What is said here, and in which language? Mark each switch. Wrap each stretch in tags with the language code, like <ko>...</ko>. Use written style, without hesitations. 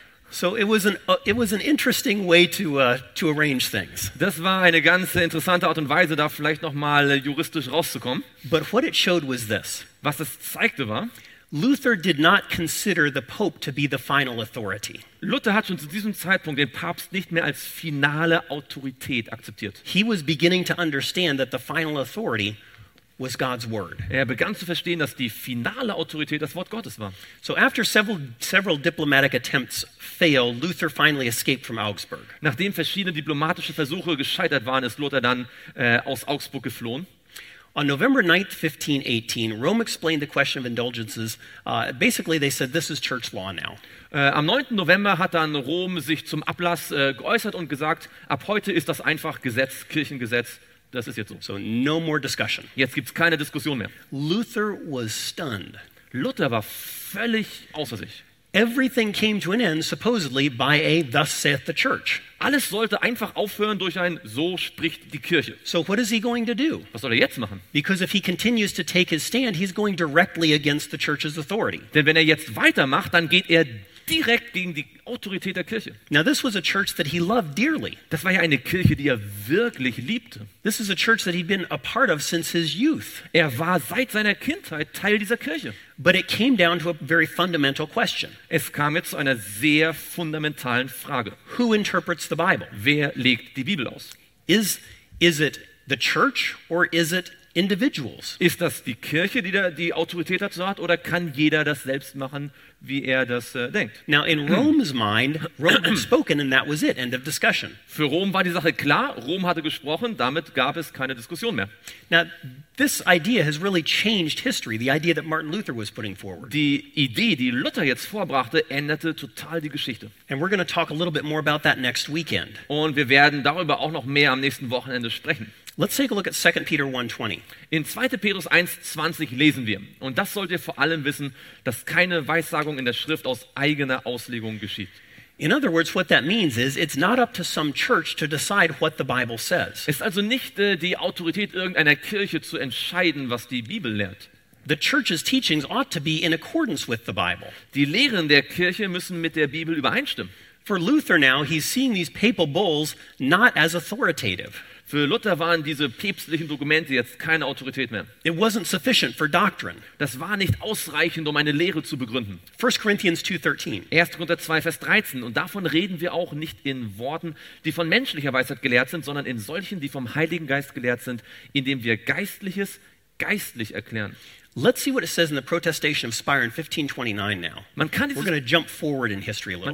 <en>So it was an interesting way to arrange things.</en> <de>Das war eine ganz interessante Art und Weise, da vielleicht noch mal juristisch rauszukommen.</de> <en>But what it showed was this.</en> <de>Was es zeigte war,</de> <en>Luther did not consider the Pope to be the final authority.</en> <de>Luther hat schon zu diesem Zeitpunkt den Papst nicht mehr als finale Autorität akzeptiert.</de> <en>He was beginning to understand that the final authority was God's word.</en> <de>Er begann zu verstehen, dass die finale Autorität das Wort Gottes war.</de> <en>So after several diplomatic attempts failed, Luther finally escaped from Augsburg.</en> <de>Nachdem verschiedene diplomatische Versuche gescheitert waren, ist Luther dann aus Augsburg geflohen.</de> <en>On November 9th, 1518, Rome explained the question of indulgences. Basically, they said this is church law now.</en> <de>Am 9. November hat dann Rom sich zum Ablass geäußert und gesagt, ab heute ist das einfach Gesetz, Kirchengesetz. Das ist jetzt so.</de> <en>So no more discussion.</en> <de>Jetzt gibt's keine Diskussion mehr.</de> <en>Luther was stunned.</en> <de>Luther war völlig außer sich.</de> <en>Everything came to an end supposedly by a thus saith the church.</en> <de>Alles sollte einfach aufhören durch ein so spricht die Kirche.</de> <en>So what is he going to do?</en> <de>Was soll er jetzt machen?</de> <en>Because if he continues to take his stand, he's going directly against the church's authority.</en> <de>Denn wenn er jetzt weitermacht, dann geht er direkt gegen die Autorität der Kirche.</de> <en>Now this was a church that he loved dearly.</en> <de>Das war ja eine Kirche, die er wirklich liebte.</de> <en>This is a church that he'd been a part of since his youth.</en> <de>Er war seit seiner Kindheit Teil dieser Kirche.</de> <en>But it came down to a very fundamental question.</en> <de>Es kam jetzt zu einer sehr fundamentalen Frage.</de> <en>Who interprets the Bible?</en> <de>Wer legt die Bibel aus?</de> <en>Is it the church or is it individuals?</en> <de>Ist das die Kirche, die da die Autorität dazu hat, oder kann jeder das selbst machen, wie er das denkt?</de> <en>Now in Rome's mind, Rome had spoken and that was it, end of discussion.</en> <de>Für Rom war die Sache klar, Rom hatte gesprochen, damit gab es keine Diskussion mehr.</de> <en>Now this idea has really changed history, the idea that Martin Luther was putting forward.</en> <de>Die Idee, die Luther jetzt vorbrachte, änderte total die Geschichte.</de> <en>And we're going to talk a little bit more about that next weekend.</en> <de>Und wir werden darüber auch noch mehr am nächsten Wochenende sprechen.</de> <en>Let's take a look at 2 Peter 1:20.</en> <de>In 2. Petrus 1:20 lesen wir, und das sollt ihr vor allem wissen, dass keine Weissagung in der Schrift aus eigener Auslegung geschieht.</de> <en>In other words, what that means is it's not up to some church to decide what the Bible says.</en> <de>Es ist also nicht die Autorität irgendeiner Kirche zu entscheiden, was die Bibel lehrt.</de> <en>The church's teachings ought to be in accordance with the Bible.</en> <de>Die Lehren der Kirche müssen mit der Bibel übereinstimmen.</de> <en>For Luther now, he's seeing these papal bulls not as authoritative.</en> <de>Für Luther waren diese päpstlichen Dokumente jetzt keine Autorität mehr.</de> <en>It wasn't sufficient for doctrine.</en> <de>Das war nicht ausreichend, um eine Lehre zu begründen.</de> <en>1 Corinthians 2:13.</en> <de>1. Korinther 2, Vers 13. Und davon reden wir auch nicht in Worten, die von menschlicher Weisheit gelehrt sind, sondern in solchen, die vom Heiligen Geist gelehrt sind, indem wir Geistliches geistlich erklären.</de> <en>Let's see what it says in the Protestation of Spire in 1529 now.</en> <de>Man kann dieses,</de> <en>we're going to jump forward in history a little</en>